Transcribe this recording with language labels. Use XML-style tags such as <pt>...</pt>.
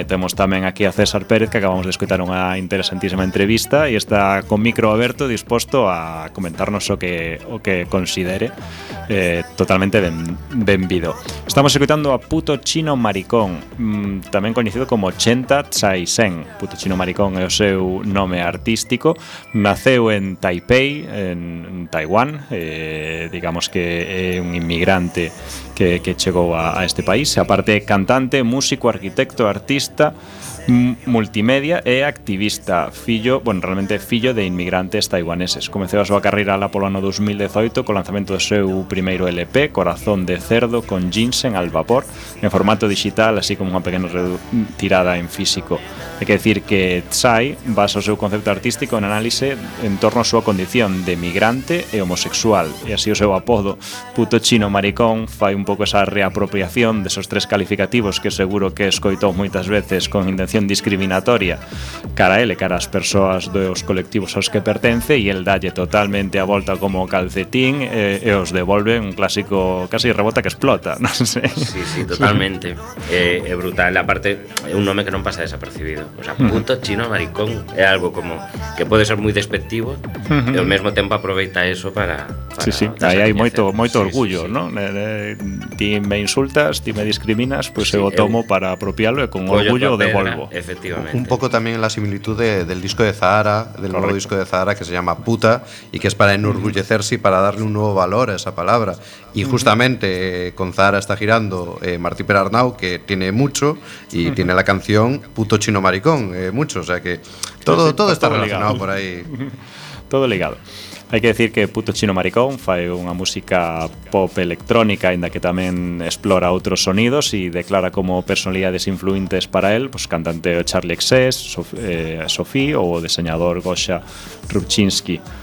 <gl>E temos tamén aquí a César Pérez, que acabamos de escoitar unha interesantísima entrevista, e está con micro aberto, disposto a comentarnos o que considere. Totalmente benvido. Estamos escoitando a Puto Chino Maricón, tamén coñecido como Chenta Tsai Sen. Puto Chino Maricón é o seu nome artístico. Naceu en Taipei, en Taiwán. Digamos que é un inmigrante que chegou a este país. Aparte, cantante, músico, arquitecto, artista multimedia e activista, fillo de inmigrantes taiwaneses. Comeceu a súa carreira lá polo ano 2018 co lanzamento do seu primeiro LP, Corazón de Cerdo con Ginseng al Vapor, en formato digital, así como unha pequena tirada en físico. Hai que decir que Tsai basa o seu concepto artístico en análise en torno á súa condición de migrante e homosexual, e así o seu apodo, Puto Chino Maricón, fai un pouco esa reapropiación desos tres calificativos que seguro que escoitou moitas veces con intención discriminatoria cara a ele, cara ás persoas dos colectivos aos que pertence, e el dalle totalmente a volta como calcetín e os devolve un clásico casi rebota que explota, non sei. Sí, sí, totalmente. É brutal. Aparte, é un nome que non pasa desapercibido. O sea, Puto Chino Maricón é algo como que pode ser moi despectivo, e ao mesmo tempo aproveita eso para sí, sí. Aí hai moito orgullo, sí, sí, sí. Non? Ti me insultas, ti me discriminas, pois pues sí, eu tomo para apropiarlo e con orgullo de efectivamente.</gl> <es>Un poco también la similitud del disco de Zahara, del nuevo disco de Zahara, que se llama Puta, y que es para enorgullecerse y para darle un nuevo valor a esa palabra. Y justamente con Zahara está girando Martí Perarnau, que tiene mucho, y tiene la canción Puto Chino Maricón, mucho. O sea que todo está relacionado por ahí. Todo ligado.</es> <gl>Hai que decir que Puto Chino Maricón fai unha música pop electrónica, aínda que tamén explora outros sonidos, e declara como personalidades influentes para él, pues, cantante o Charlie XS, Sophie, ou o diseñador Gosha Rubchinsky.</gl>